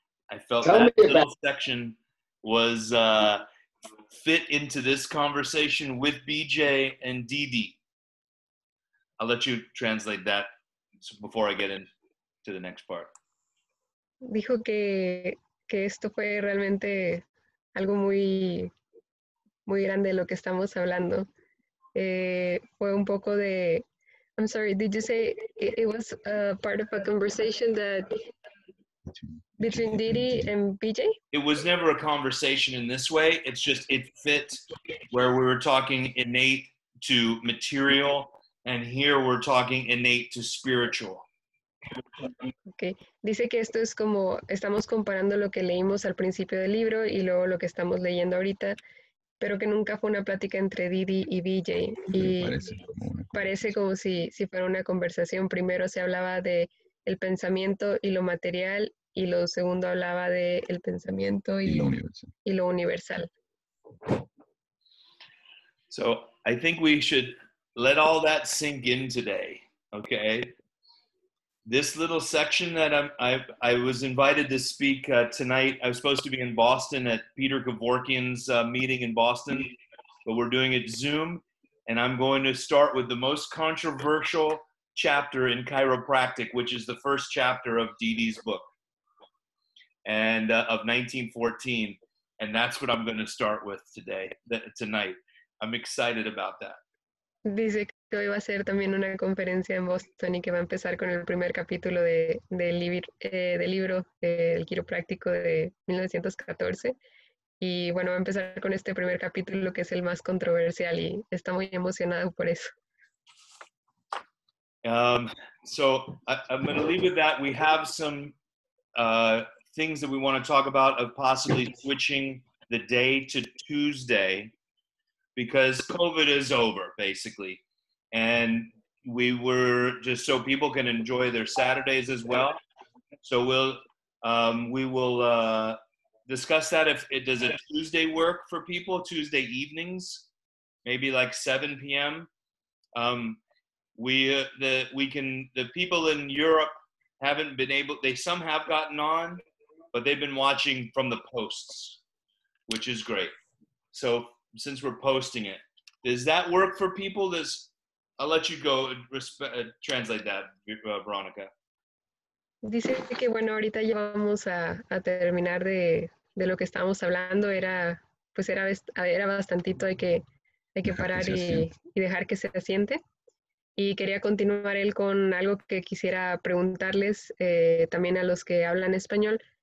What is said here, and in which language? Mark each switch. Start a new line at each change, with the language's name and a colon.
English: I felt that little section was fit into this conversation with BJ and DD. I'll let you translate that before I get into the next part.
Spanish: Dijo que esto fue realmente algo muy, muy grande lo que estamos hablando. Fue un poco de,
English: I'm sorry, did you say it was a part of a conversation that between Didi and BJ? It was never a conversation in this way. It's just it fit where we were talking innate to material, and here we're talking innate to spiritual. Okay.
Spanish: Dice que esto es como estamos comparando lo que leímos al principio del libro y luego lo que estamos leyendo ahorita, pero que nunca fue una plática entre Didi y BJ. Y parece como si fuera una conversación. Primero se hablaba de el pensamiento y lo material, y lo segundo hablaba de el pensamiento y lo universal.
English: So I think we should let all that sink in today, okay? This little section that I was invited to speak tonight, I was supposed to be in Boston at Peter Kevorkian's meeting in Boston, but we're doing it Zoom, and I'm going to start with the most controversial chapter in chiropractic, which is the first chapter of Didi's book, and of 1914, and that's what I'm going to start with today, tonight. I'm excited about that.
Spanish: Dice que hoy va a ser también una conferencia en Boston y que va a empezar con el primer capítulo del libro El quiropráctico de 1914. Y bueno, va a empezar con este primer capítulo que es el más controversial y está muy emocionado por eso.
English: I'm going to leave with that. We have some things that we want to talk about of possibly switching the day to Tuesday. Because COVID is over, basically. And we were just so people can enjoy their Saturdays as well. So we will discuss that. Does a Tuesday work for people? Tuesday evenings, maybe like 7 p.m. The people in Europe haven't been able, they some have gotten on, but they've been watching from the posts, which is great. So since we're posting it, does that work for people? I'll let you go and translate that, Veronica.
Spanish: Dice que bueno, ahorita ya vamos a terminar de lo que estábamos hablando. Era bastantito, hay que parar y dejar que se asiente. Y quería continuar él con algo que quisiera preguntarles también a los que hablan español.